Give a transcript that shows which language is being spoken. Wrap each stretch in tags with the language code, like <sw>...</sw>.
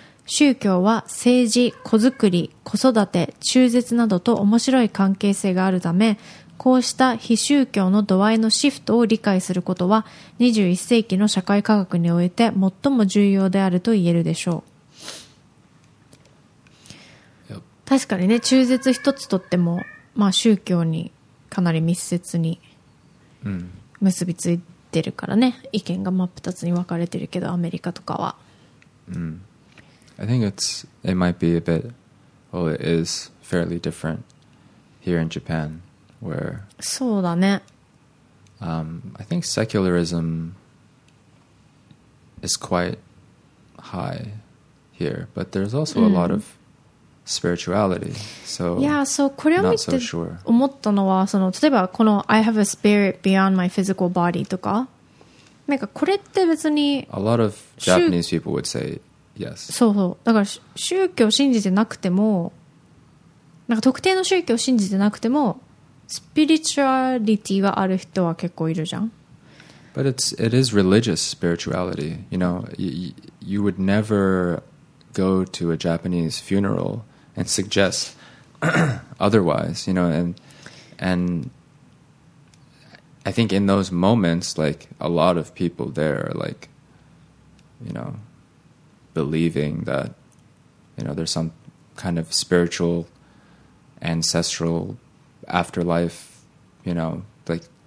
<ja>宗教は政治、子作り、子育て、中絶などと面白い関係性があるため、こうした非宗教の度合いのシフトを理解することは21世紀の社会科学において最も重要であると言えるでしょう。確かにね、中絶一つとっても、まあ、宗教にかなり密接に結びついてるからね、うん、意見が真っ二つに分かれてるけど、アメリカとかは、うん、</ja> <en>I think it might be a bit, well it is fairly different here in Japan where,</en> <ja>そうだね、</ja> <en>I think secularism is quite high here, but there's also a lot ofspirituality. So, yeah, so</en> <ja>これを見て思ったのは、その例えばこの</ja> <en>I have a spirit beyond my physical body</en> <ja>とか、なんかこれって別に</ja> <en>a lot of Japanese people would say yes.</en> <ja>そうそう、だから宗教信じてなくても、なんか特定の宗教信じてなくてもスピリチュアリティはある人は結構いるじゃん。</ja> <en>But it is religious spirituality. You know, you would never go to a Japanese funeraland suggest otherwise, you know, and I think in those moments, like, a lot of people there are, like, you know, believing that, you know, there's some kind of spiritual, ancestral afterlife, you know, like,</en>